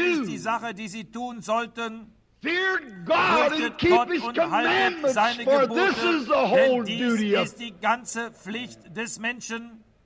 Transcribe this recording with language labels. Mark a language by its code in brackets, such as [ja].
[de] Ist die Sache, die sie tun sollten. [en] Fear God and keep his commandments, for this is the whole duty of [de] ist die ganze Pflicht des Menschen.